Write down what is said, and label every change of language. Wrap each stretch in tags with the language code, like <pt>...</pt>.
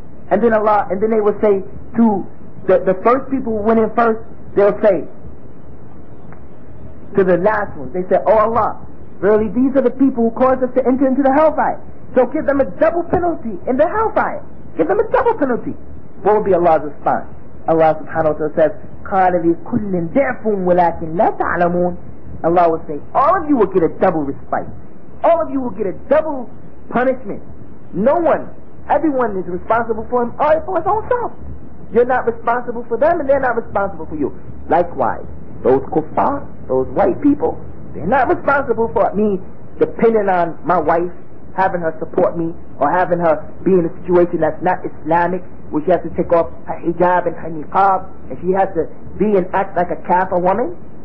<en>And then they will say to the first people who went in first, they'll say to the last ones, they say, oh Allah, verily these are the people who caused us to enter into the hellfire. So give them a double penalty in the hellfire. Give them a double penalty. What will be Allah's response? Allah subhanahu wa ta'ala says,</en> <ar>قَالَ لِكُلٍ دَعْفٌ وَلَكِنْ لَا تَعْلَمُونَ.</ar> <en>Allah will say, all of you will get a double respite. All of you will get a double punishment. No one, everyone is responsible for him or for his own self. You're not responsible for them and they're not responsible for you. Likewise, those kuffar, those white people, they're not responsible for me depending on my wife, having her support me, or having her be in a situation that's not Islamic, where she has to take off her hijab and her niqab, and she has to be and act like a kafir woman.</en>